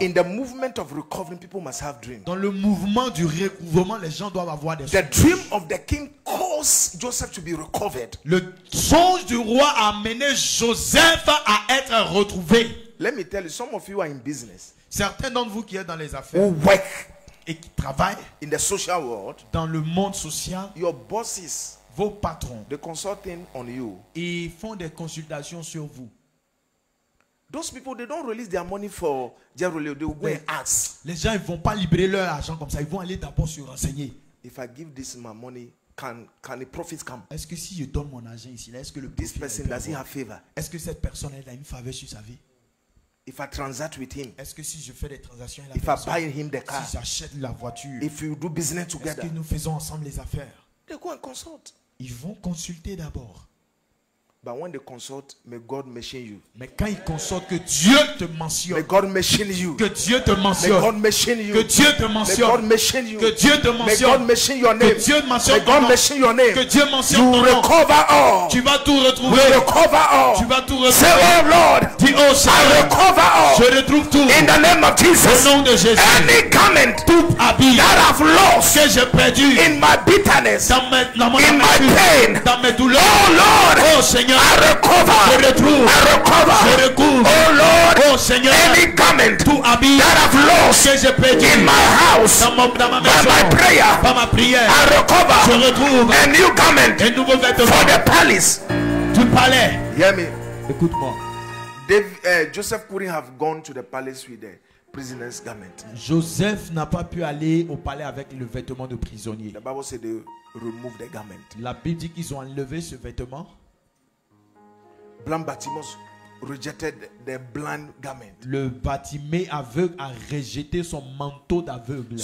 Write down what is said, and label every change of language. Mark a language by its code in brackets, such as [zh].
[en] In the movement of recovering, people must have dreams. [fr] Dans le mouvement du recouvrement, les gens doivent avoir des songes. [en] The dream of the king caused Joseph to be recovered. [fr] Le songe du roi a amené Joseph à être retrouvé. [en] Let me tell you, some of you are in business. [fr] Certains d'entre vous qui êtes dans les affaires et qui travaillent [en] in the social world, [fr] dans le monde social, [en] your bosses, [fr] vos patrons, [en] they consulting on you, [fr] ils font des consultations sur vous. [en] Those people they don't release their money for their role, they will go and ask. [fr] Les gens ils vont pas libérer leur argent comme ça, ils vont aller d'abord se renseigner. [en] If I give this my money, can the profits come? [fr] Est-ce que si je donne mon argent ici, est-ce que le [en] this person does he have favor? [fr] Est-ce que cette personne elle a une faveur sur sa vie? [en] If I transact with him, [fr] est-ce que si je fais des transactions avec la personne, [en] if I buy him the car, [fr] si j'achète la voiture, [en] if you do business together, [fr] est-ce que nous faisons ensemble les affaires, [en] they go and consult. [fr] Ils vont consulter d'abord. [en] But when they consult, may God mention you. [fr] Mais quand ils consultent, que Dieu te mentionne. [en] May God mention you. [fr] Que Dieu te mentionne. [en] May God mention you. [fr] Que Dieu te mentionne. [en] May God mention you. [fr] Que Dieu te mentionne. [en] May God mention your name. [fr] Que Dieu mentionne. [en] May God mention your name. [fr] Que Dieu mentionne ton nom. [en] You recover all. [fr] Tu vas tout retrouver. [en] You recover all. [fr] Tu vas tout retrouver. [en] Say, oh Lord. [fr] Dis, oh Seigneur. [en] I recover all. [fr] Je retrouve tout. [en] In the name of Jesus. [fr] Au nom de Jésus. [en] Any comment. [fr] Tout habit. [en] That I've lost. [fr] Que j'ai perdu. [en] In my bitterness. [fr] Dans mon [en] in my pain. [fr] Dans mes douleurs. [en] Oh Lord. [fr] Oh Seigneur. [en] I recover. [fr] Je retrouve. [en] I recover. [fr] Je recouvre. [en] Oh Lord. [fr] Oh Seigneur. [en] Any garment. [fr] Tout habit. [en] That I've lost. [fr] Que j'ai perdu. [en] In my house. [fr] Dans ma maison. [en] By my prayer. [fr] Par ma prière. [en] I recover. [fr] Je retrouve. [en] A new garment. [fr] Un nouveau vêtement. [en] For the palace. [fr] Du palais. [en] Hear me. [fr] Écoute-moi. [en] Joseph couldn't have gone to the palace with the prisoner's garment. [fr] Joseph n'a pas pu aller au palais avec le vêtement de prisonnier. [en] The Bible said they remove the garment. [fr] La Bible dit qu'ils ont enlevé ce vêtement. [en] Blind Bartimaeus rejected the blind garment. [fr] Le Bartimée aveugle a rejeté son manteau d'aveugle.